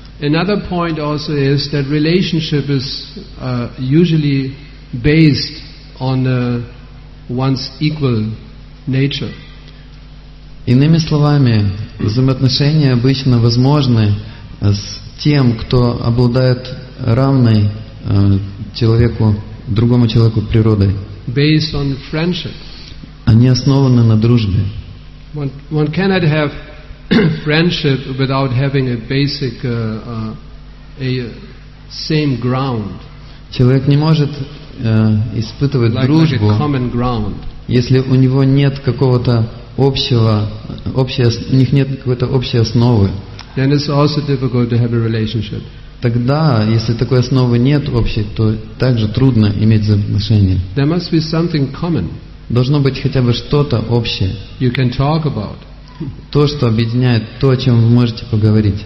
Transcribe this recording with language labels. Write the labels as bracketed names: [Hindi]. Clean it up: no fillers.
[English] Another point also is that relationship is usually based on one's equal nature. [Russian] Иными словами, взаимоотношения обычно возможны с тем, кто обладает равной человеку, другому человеку природой. [English] Based on friendship. [Russian] Они основаны на дружбе. [English] One cannot have friendship without having a basic a same ground. [Russian] Человек не может испытывать дружбу, если у него нет какого-то общей основы. [English] Then it's also difficult to have a relationship. [Russian] Тогда, если такой основы нет общей, то также трудно иметь взаимоотношения. [English] There must be something common. [Russian] Должно быть хотя бы что-то общее. [English] You can talk about. [Russian] То, что объединяет, то, о чем вы можете поговорить.